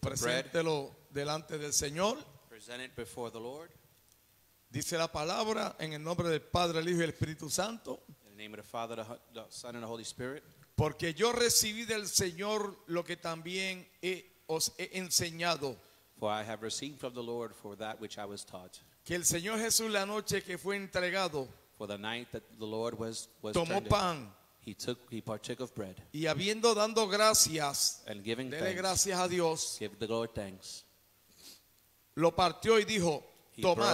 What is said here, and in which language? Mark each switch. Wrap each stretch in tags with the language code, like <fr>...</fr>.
<es>preséntelo</es> <en>bread.</en> <es>Delante del Señor.</es> <en>Present it before the Lord.</en> <es>Dice la palabra en el nombre del Padre, el Hijo y el Espíritu Santo.</es> <en>In the name of the Father, the Son and the Holy Spirit.</en> <es>Porque yo recibí del Señor lo que también os he enseñado.</es> <en>For I have received from the Lord for that which I was taught.</en> <es>Que el Señor Jesús la noche que fue entregado,</es> <en>for the night that the Lord was</en> <es>tomó</es> <en>tended,</en> <es>pan,</es> <en>he partook of bread,</en> <es>y habiendo dando gracias,</es> <en>and giving</en> <es>dele</es> <en>thanks,</en> <es>gracias a Dios,</es> <en>give the Lord thanks,</en> <es>lo partió y dijo,</es> <en>he</en> <es>tomad,</es>